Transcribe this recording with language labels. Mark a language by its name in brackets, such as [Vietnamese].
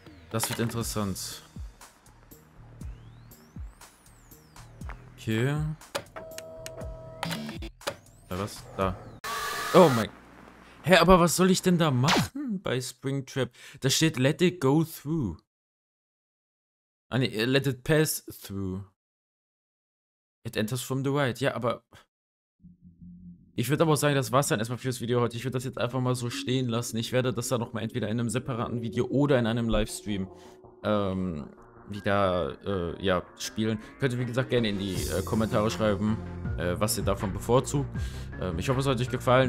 [German] Das wird interessant. Okay. Da was? Da. Oh mein. Hä, aber was soll ich denn da machen bei Springtrap? Da steht [English] Let it go through. [German] Ah, nee, [English] let it pass through. It enters from the right. [German] Ja, aber. Ich würde aber auch sagen, das war es dann erstmal für das Video heute. Ich würde das jetzt einfach mal so stehen lassen. Ich werde das dann nochmal entweder in einem separaten Video oder in einem Livestream wieder ja, spielen. Könnt ihr, wie gesagt, gerne in die Kommentare schreiben, was ihr davon bevorzugt. Ich hoffe, es hat euch gefallen.